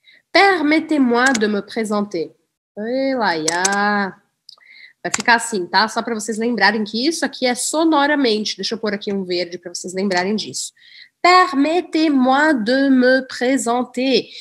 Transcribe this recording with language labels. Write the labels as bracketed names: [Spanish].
[French] Permettez-moi de me présenter. [Portuguese] Elaia. Vai ficar assim, tá? Só para vocês lembrarem que isso aqui é sonoramente. Deixa eu pôr aqui um verde para vocês lembrarem disso. [French] Permettez-moi de me présenter.